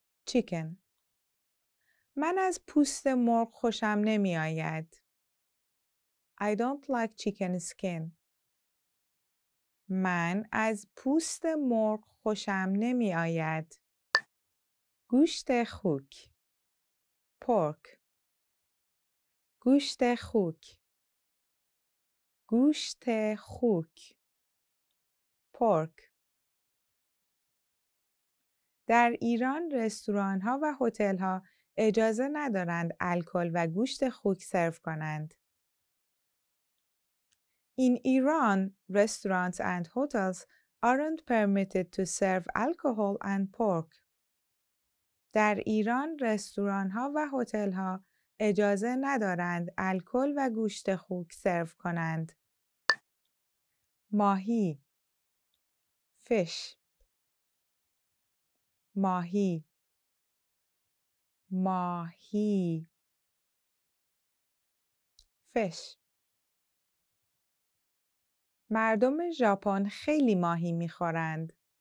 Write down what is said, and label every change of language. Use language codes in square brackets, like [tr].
[fa] chicken من از پوست مرغ خوشم نمی آید [en] I don't like chicken skin [fa] من از پوست مرغ خوشم نمی آید گوشت خوک pork گوشت خوک گوشت خوک pork در ایران رستوران ها و هتل ها اجازه ندارند الکل و گوشت خوک سرو کنند. [en] In Iran, restaurants and hotels aren't permitted to serve alcohol and pork. [fa] در ایران رستوران ها و هتل ها اجازه ندارند الکل و گوشت خوک سرو کنند. ماهی fish ماهی ماهی fish مردم ژاپن خیلی ماهی می‌خورند.